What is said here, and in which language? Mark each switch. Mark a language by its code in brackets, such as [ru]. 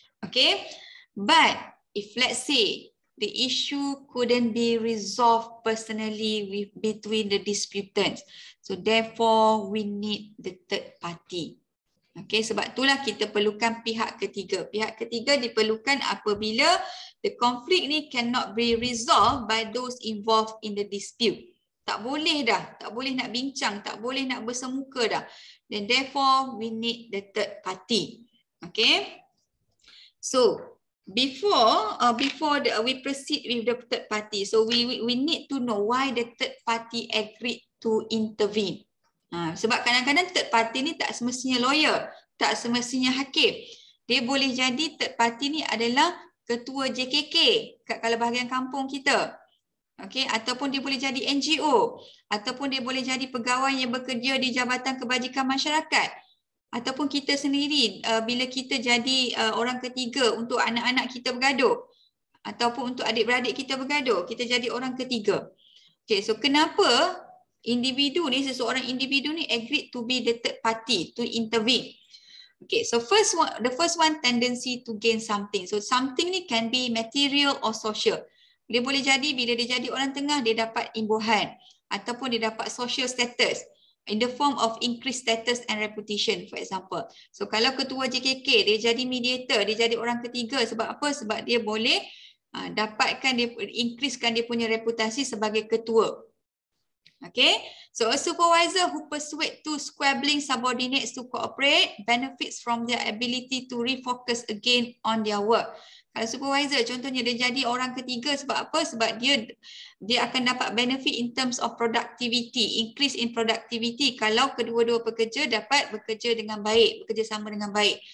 [en] Okay, but if let's say the issue couldn't be resolved personally between the disputants, so therefore we need the third party. [ms] Okay, sebab itulah kita perlukan pihak ketiga. Pihak ketiga diperlukan apabila [en] the conflict [ms] ni [en] cannot be resolved by those involved in the dispute. [ms] Tak boleh dah, tak boleh nak bincang, tak boleh nak bersemuka dah. [en] Then therefore we need the third party. Okay, so before we proceed with the third party, so we need to know why the third party agreed to intervene. [ms] Sebab kadang-kadang third party ni tak semestinya lawyer, tak semestinya hakim. Dia boleh jadi third party ni adalah ketua JKK kat kalau bahagian kampung kita. Okay, ataupun dia boleh jadi NGO, ataupun dia boleh jadi pegawai yang bekerja di Jabatan Kebajikan Masyarakat. Ataupun kita sendiri bila kita jadi orang ketiga untuk anak-anak kita bergaduh. Ataupun untuk adik-beradik kita bergaduh, kita jadi orang ketiga. Okay, so kenapa individu ni, seseorang individu ni [en] agreed to be the third party, to intervene. Okay, so first one, the first one, tendency to gain something. So something ni can be material or social. [ms] Dia boleh jadi bila dia jadi orang tengah, dia dapat imbuhan ataupun dia dapat [en] social status in the form of increased status and reputation, for example. [ms] So kalau ketua JKK, dia jadi mediator, dia jadi orang ketiga, sebab apa? Sebab dia boleh dapatkan, dia increasekan dia punya reputasi sebagai ketua. [en] Okay, so a supervisor who persuade to squabbling subordinates to cooperate benefits from their ability to refocus again on their work. [ms] Kalau supervisor, contohnya dia jadi orang ketiga sebab apa? Sebab dia akan dapat benefit [en] in terms of productivity, increase in productivity [ms] kalau kedua-dua pekerja dapat bekerja dengan baik, bekerjasama dengan baik.